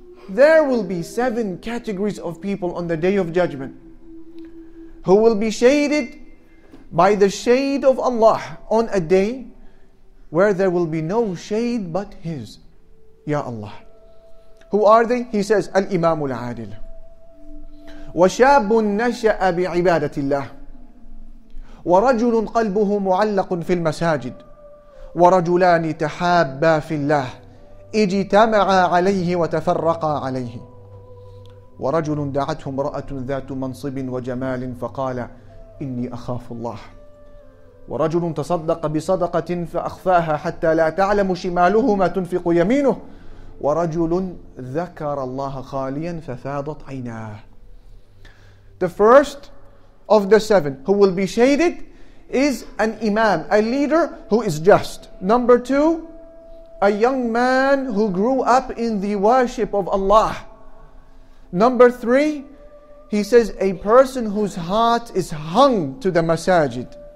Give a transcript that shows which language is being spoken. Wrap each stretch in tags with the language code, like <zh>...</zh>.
<en>There will be seven categories of people on the Day of Judgment who will be shaded by the shade of Allah on a day where there will be no shade but His, Ya Allah. Who are they? He says, Al-Imam Al-Adil.</en> <ar>وَشَابٌ نَشَأَ بِعِبَادَةِ اللَّهِ وَرَجُلٌ قَلْبُهُ مُعَلَّقٌ فِي الْمَسَاجِدِ وَرَجُلَانِ تَحَابَّا فِي اللَّهِ اجْتَمَعَا عَلَيْهِ وَتَفَرَّقَا عَلَيْهِ ورجل دعته امرأة ذات منصب وجمال فقال إني أخاف الله ورجل تصدق بصدقة فأخفاها حتى لا تعلم شماله ما تنفق يمينه ورجل ذكر الله خاليا ففاضت عيناه.</ar> <en>The first of the seven who will be shaded is an imam, a leader who is just. Number two, a young man who grew up in the worship of Allah. Number three, he says, a person whose heart is hung to the masajid.</en>